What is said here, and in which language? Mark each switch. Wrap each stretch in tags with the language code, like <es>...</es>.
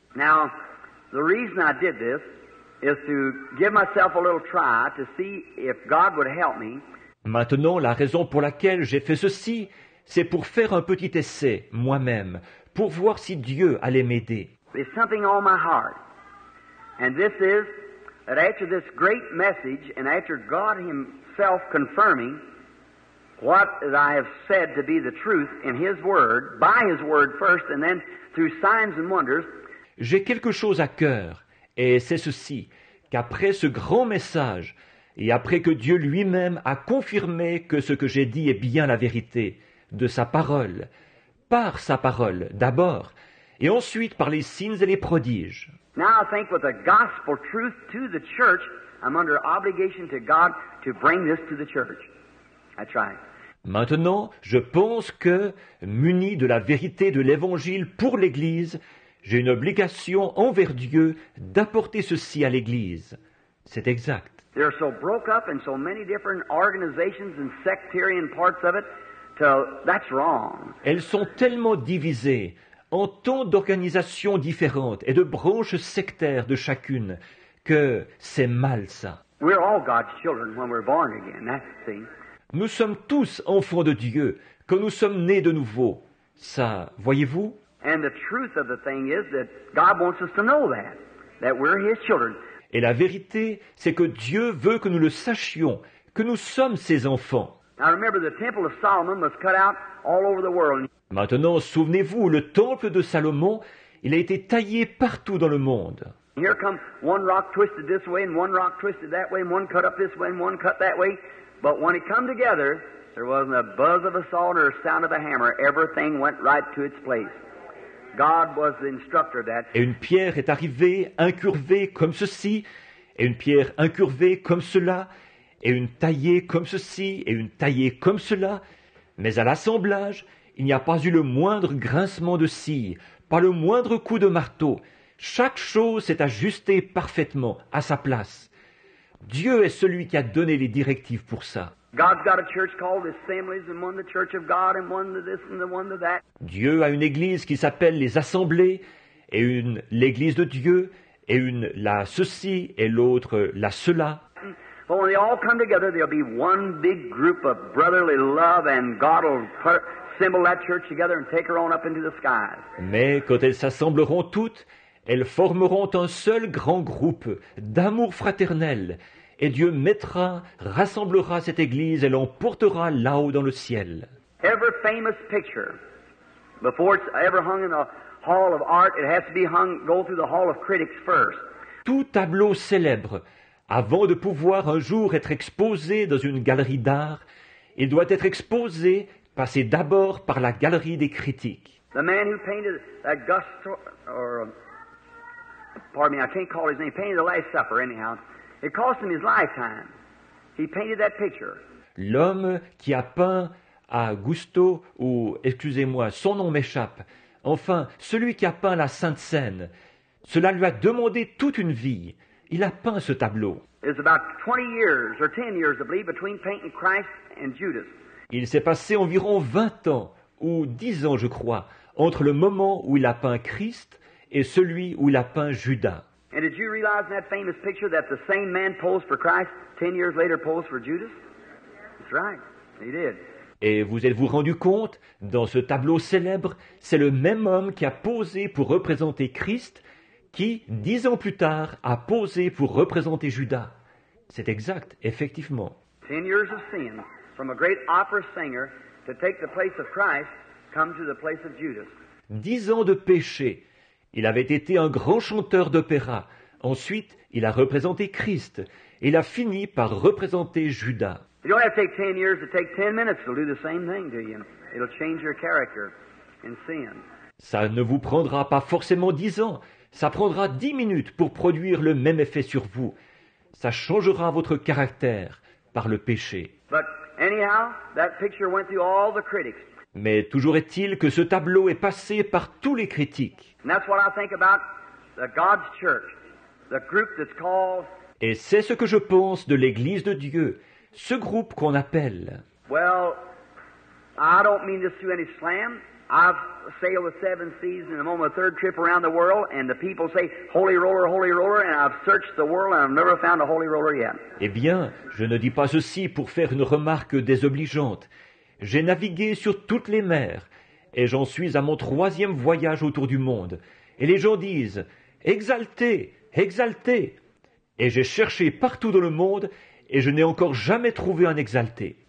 <en>Now, the reason I did this is to give myself a little try to see if God would help me.</en> <fr>Maintenant, la raison pour laquelle j'ai fait ceci, c'est pour faire un petit essai moi-même, pour voir si Dieu allait m'aider.</fr> <en>There's something on my heart. And this is that after this great message and after God himself confirming what I have said to be the truth in his word, by his word first and then through signs and wonders.</en> <fr>J'ai quelque chose à cœur et c'est ceci, qu'après ce grand message et après que Dieu lui-même a confirmé que ce que j'ai dit est bien la vérité de sa parole, par sa parole d'abord, et ensuite par les signes et les prodiges.</fr> <en>Now I think with the gospel truth to the church, I'm under obligation to God to bring this to the church. That's right.</en> <fr>Maintenant, je pense que, muni de la vérité de l'Évangile pour l'Église, j'ai une obligation envers Dieu d'apporter ceci à l'Église. C'est exact.</fr> <en>They are so broke up in so many different organizations and sectarian parts of it, so that's wrong.</en> <fr>Elles sont tellement divisées en tant d'organisations différentes et de branches sectaires de chacune, que c'est mal ça.</fr> <en>We're all God's children when we're born again, that's the thing.</en> <fr>Nous sommes tous enfants de Dieu quand nous sommes nés de nouveau. Ça, voyez-vous?</fr> <en>And the truth of the thing is that God wants us to know that, that we're his children.</en> <fr>Et la vérité, c'est que Dieu veut que nous le sachions, que nous sommes ses enfants.</fr> <en>Now remember, the temple of Solomon was cut out all over the world.</en> <fr>Maintenant, souvenez-vous, le temple de Salomon, il a été taillé partout dans le monde.</fr> <en>Here comes one rock twisted this way and one rock twisted that way and one cut up this way and one cut that way. But when it come together, there wasn't a buzz of a saw or a sound of a hammer. Everything went right to its place. God was the instructor that.</en> <fr>Et une pierre est arrivée, incurvée comme ceci, et une pierre incurvée comme cela, et une taillée comme ceci, et une taillée comme cela. Mais à l'assemblage, il n'y a pas eu le moindre grincement de scie, pas le moindre coup de marteau. Chaque chose s'est ajustée parfaitement à sa place. Dieu est celui qui a donné les directives pour ça.</fr> <en>God's got a church called Assemblies, and one the church of God, and one the this and the one the that.</en> <fr>Dieu a une église qui s'appelle les Assemblées, et une l'Église de Dieu, et une la ceci, et l'autre la cela.</fr> <en>But when they all come together, there'll be one big group of brotherly love, and God will put, assemble that church together and take her on up into the skies.</en> <fr>Mais quand elles s'assembleront toutes, elles formeront un seul grand groupe d'amour fraternel, et Dieu mettra, rassemblera cette église et l'emportera là-haut dans le ciel.</fr> <en>Every famous picture, before it's ever hung in the hall of art, it has to be hung, go through the hall of critics first.</en> <fr>Tout tableau célèbre, avant de pouvoir un jour être exposé dans une galerie d'art, il doit être exposé, passé d'abord par la galerie des critiques.</fr> <en>The man who painted Augusto, or, pardon me, I can't call his name, painted the Last Supper anyhow. It cost him his lifetime. He painted that picture.</en> <fr>L'homme qui a peint Augusto, ou excusez-moi, son nom m'échappe. Enfin, celui qui a peint la Sainte Seine, cela lui a demandé toute une vie. Il a peint ce tableau.</fr> <en>It's about 20 years or 10 years, I believe, between painting Christ and Judas.</en> <fr>Il s'est passé environ 20 ans, ou 10 ans je crois, entre le moment où il a peint Christ et celui où il a peint Judas.</fr> <en>And did you realize in that famous picture that the same man posed for Christ 10 years later posed for Judas? That's right, he did.</en> <fr>Et vous êtes-vous rendu compte, dans ce tableau célèbre, c'est le même homme qui a posé pour représenter Christ qui, 10 ans plus tard, a posé pour représenter Judas. C'est exact, effectivement.</fr> <en>10 years of sin. From a great opera singer to take the place of Christ, come to the place of Judas.</en> <fr>10 ans de péché. Il avait été un grand chanteur d'opéra. Ensuite, il a représenté Christ. Il a fini par représenter Judas.</fr> <en>You don't have to take 10 years to take 10 minutes to do the same thing, do you? It'll change your character in sin.</en> <fr>Ça ne vous prendra pas forcément 10 ans. Ça prendra 10 minutes pour produire le même effet sur vous. Ça changera votre caractère par le péché.</fr> <en>But anyhow, that picture went through all the critics.</en> <fr>Mais toujours est-il que ce tableau est passé par tous les critiques.</fr> <en>And that's what I think about the God's church, the group that's called.</en> <fr>Et c'est ce que je pense de l'Église de Dieu, ce groupe qu'on appelle.</fr> <en>Well, I don't mean this through any slam. I've sailed the seven seas and I'm on my third trip around the world, and the people say, "Holy roller, holy roller," and I've searched the world and I've never found a holy roller yet.</en> <fr>Eh bien, je ne dis pas ceci pour faire une remarque désobligeante. J'ai navigué sur toutes les mers et j'en suis à mon troisième voyage autour du monde. Et les gens disent, "Exalté, exalté." Et j'ai cherché partout dans le monde et je n'ai encore jamais trouvé un exalté.</fr>